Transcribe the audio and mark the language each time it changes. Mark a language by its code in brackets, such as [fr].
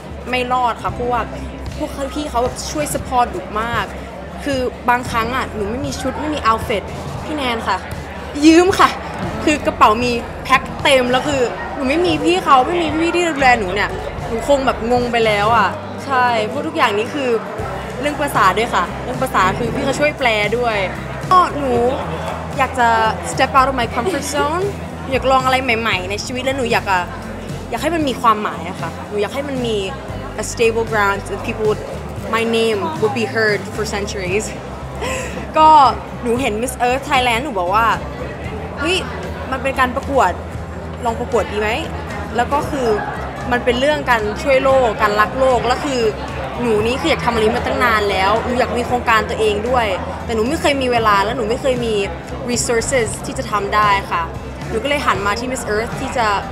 [th] ไม่รอดค่ะเพราะว่าพวกพี่เขาแบบช่วยสปอร์ตหนูมากคือบางครั้งอ่ะหนูไม่มีชุดไม่มีเอาท์ฟิตพี่แนนค่ะยืมค่ะคือกระเป๋ามีแพ็คเต็มแล้วคือหนูไม่มีพี่เขาไม่มีพี่ที่ดูแลหนูเนี่ยหนูคงแบบงงไปแล้วอ่ะใช่เพราะทุกอย่างนี้คือ เรื่องภาษาด้วยค่ะเรื่องภาษาคือพี่เขาช่วยแปลด้วยก็หนูอยากจะ [en] step out of my comfort zone [th] อยากลองอะไรใหม่ๆในชีวิตแล้วหนูอยากให้มันมีความหมายอะค่ะหนูอยากให้มันมี [en] a stable ground that people would, my name would be heard for centuries. [th] ก็หนูเห็น Miss Earth Thailand หนูบอกว่าเฮ้ยมันเป็นการประกวดลองประกวดดีไหมแล้วก็คือมันเป็นเรื่องการช่วยโลกการรักโลกแล้วคือหนูนี้คืออยากทำอะไรมาตั้งนานแล้วหนูอยากมีโครงการตัวเองด้วยแต่หนูไม่เคยมีเวลาและหนูไม่เคยมี resources ที่จะทำได้ค่ะหนูก็เลยหันมาที่ Miss Earth ที่จะ